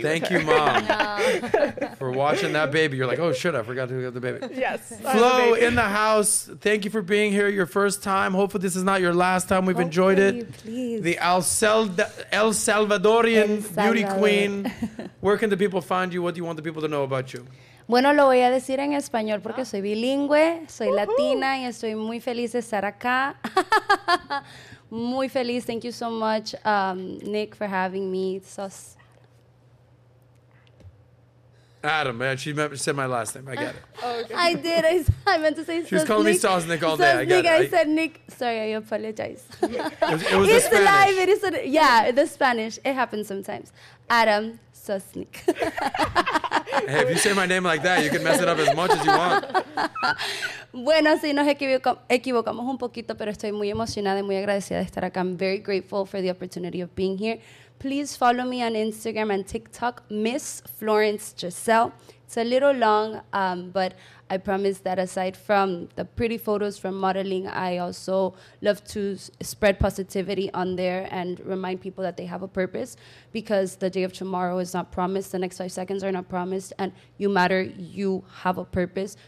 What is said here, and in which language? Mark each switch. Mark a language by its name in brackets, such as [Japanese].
[English] Thank you, Mom, for watching that baby. You're like, oh shit, I forgot to get the baby. Yes. Flo in the house, thank you for being here. Your first time. Hopefully this is not your last time. We've enjoyed it. Please. The El Salvadorian beauty queen. Where can the people find you? What do you want the people to know about you? [Spanish] Bueno, lo voy a decir en español porque soy bilingüe, soy latina, y estoy muy feliz de estar acá. Muy feliz. [English] Thank you so much, Nick, for having me. Sos. Adam, man, she said my last name. I get it. Okay. I did. I meant to say she's calling Nick. Me Sos Nick all day. Sos Nick. I said Nick. Sorry, I apologize. It was it's the live. It is a, the Spanish. It happens sometimes. Adam Sos Nick. Hey, if you say my name like that, you can mess it up as much as you want. [Spanish] Bueno, sí, nos equivocamos un poquito, pero estoy muy emocionada y muy agradecida de estar acá. [English] I'm very grateful for the opportunity of being here. Please follow me on Instagram and TikTok, Miss Florence Giselle. It's a little long, but I promise that aside from the pretty photos from modeling, I also love to spread positivity on there and remind people that they have a purpose, because the day of tomorrow is not promised, the next 5 seconds are not promised, and you matter, you have a purpose.